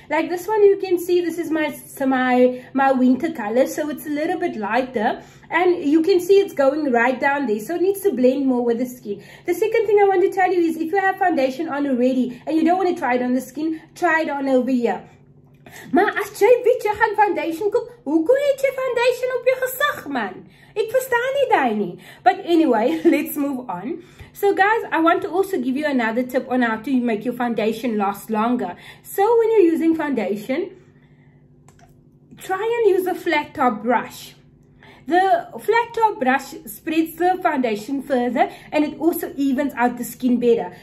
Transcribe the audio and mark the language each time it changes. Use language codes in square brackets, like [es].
[en] Like this one, you can see this is my winter color. So it's a little bit lighter. And you can see it's going right down there. So it needs to blend more with the skin. The second thing I want to tell you is, if you have foundation on already and you don't want to try it on the skin, try it on over here. [af] Maar as jy weet jy gaan foundation koop, hoekom het jy foundation op jou gesig, man? Ek verstaan nie daai nie. [en] But anyway, let's move on. So guys, I want to also give you another tip on how to make your foundation last longer. So when you're using foundation, try and use a flat top brush. The flat top brush spreads the foundation further and it also evens out the skin better.